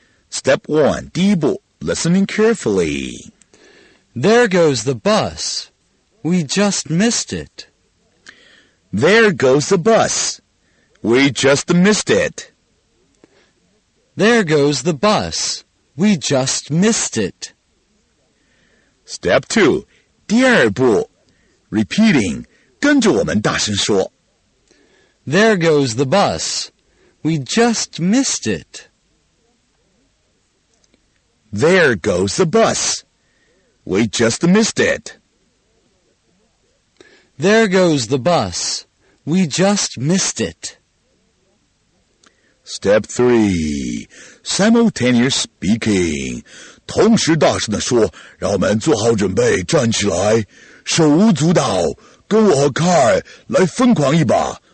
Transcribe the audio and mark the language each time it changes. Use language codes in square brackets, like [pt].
[en] Step 1, [zh] 第一步, [en] listening carefully. There goes the bus. We just missed it. There goes the bus. We just missed it. There goes the bus. We just missed it. Step 2, [zh] 第二步 Repeating, 跟着我们大声说 [en] There goes the bus. We just missed it. There goes the bus. We just missed it. There goes the bus. We just missed it. Step 3, simultaneous speaking. [zh] 同时大声地说，让我们做好准备，站起来，手舞足蹈，跟我和凯来疯狂一把。